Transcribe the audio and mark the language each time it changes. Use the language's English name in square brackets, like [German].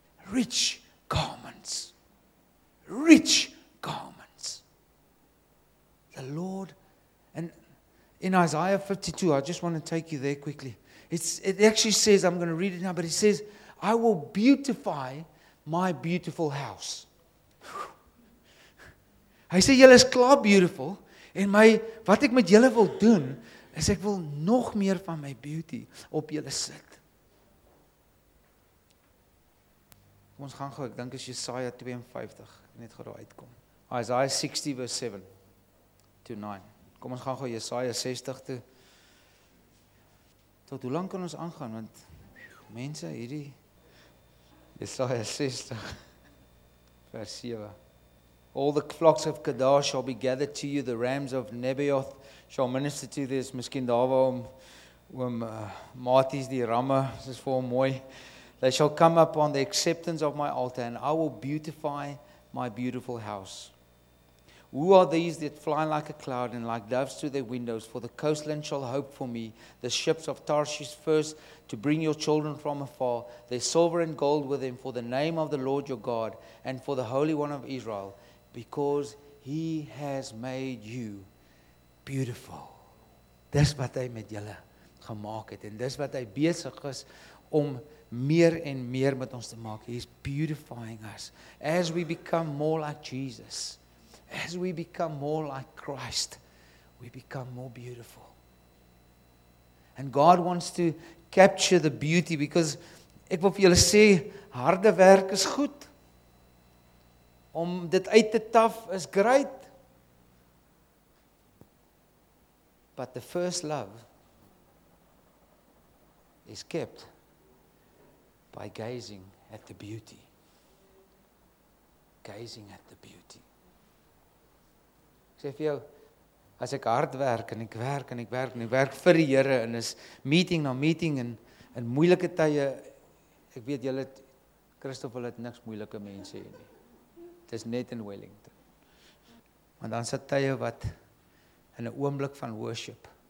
[English] Rich garments. Rich garments. The Lord, and in Isaiah 52, I just want to take you there quickly. It actually says, I'm going to read it now, but it says, I will beautify my beautiful house. [Afrikaans] Hy sê, julle is klaar beautiful, en my, wat ek met julle wil doen, is ek wil nog meer van my beauty op julle sit. Kom ons gaan gou, ek dink is Jesaja 52, net gou daar uitkom. [English] Isaiah 60 verse 7 to 9. [Afrikaans] Kom ons gaan gou Jesaja 60 toe. Tot hoe lang kan ons aangaan, want mense hierdie, Jesaja 60 vers 7. [English] All the flocks of Kedar shall be gathered to you. The rams of Nebaioth shall minister to you. [Afrikaans] There's miskien daar waar oom Maties die ramme, dis vir hom mooi. [English] They shall come up on the acceptance of my altar, and I will beautify my beautiful house. Who are these that fly like a cloud and like doves through their windows? For the coastland shall hope for me, the ships of Tarshish first, to bring your children from afar, their silver and gold with them, for the name of the Lord your God, and for the Holy One of Israel. Because He has made you beautiful. [Afrikaans] Dis wat hy met julle gemaak het, en dis wat hy besig is om meer en meer met ons te maak. [English] He's beautifying us. As we become more like Jesus, as we become more like Christ, we become more beautiful. And God wants to capture the beauty, because [Afrikaans] ek wil vir julle sê, harde werk is goed. Om dit uit te taf is great. [English] But the first love is kept by gazing at the beauty. Gazing at the beauty. [Afrikaans] Ek sê vir jou, as ek hard werk en ek werk en ek werk en ek werk vir die Here en is meeting na meeting en in moeilike tye, ek weet julle, Christoffel het niks moeilike mense hier nie. Is net in Wellington. Want dan sit tye wat in 'n oomblik van worship.